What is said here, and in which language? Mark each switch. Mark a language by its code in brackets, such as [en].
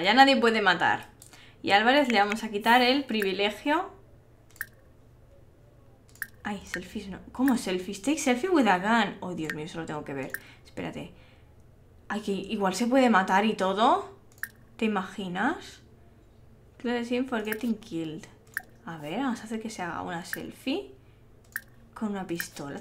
[es] Ya nadie puede matar. Y a Álvarez le vamos a quitar el privilegio. Ay, selfies no. ¿Cómo selfies? [en] Take selfie with a gun. [es] Oh, Dios mío, eso lo tengo que ver. Espérate. Ay, que igual se puede matar y todo. ¿Te imaginas? [en] Clear the scene for getting killed. [es] A ver, vamos a hacer que se haga una selfie con una pistola.